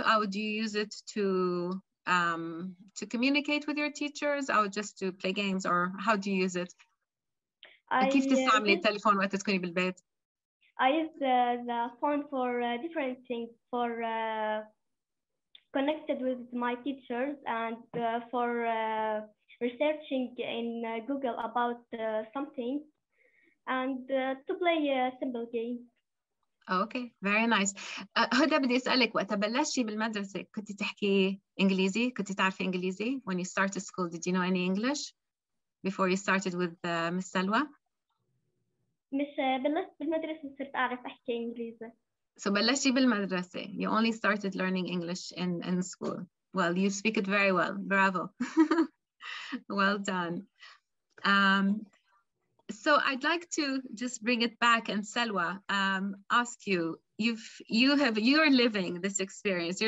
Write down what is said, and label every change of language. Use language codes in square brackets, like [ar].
[en] Or do you use it to communicate with your teachers? Or just to play games? Or how do you use it? [ar] كيف تستعملي التليفون وقت تكوني بالبيت? [en] I use the phone for different things. For connected with my teachers and for researching in Google about something and to play a simple game. Okay, very nice. [ar] Huda, بدي أسألك وقت بلشتي بالمدرسة كنت تحكي إنجليزي؟ كنت تعرفي إنجليزي? [en] When you started school, did you know any English before you started with Miss Salwa? [ar] مش بلشت بالمدرسة صرت أعرف أحكي إنجليزي. So بلشتي بالمدرسة. [en] You only started learning English in school. Well, you speak it very well. Bravo. Well done. So I'd like to just bring it back and Salwa, ask you, you're living this experience.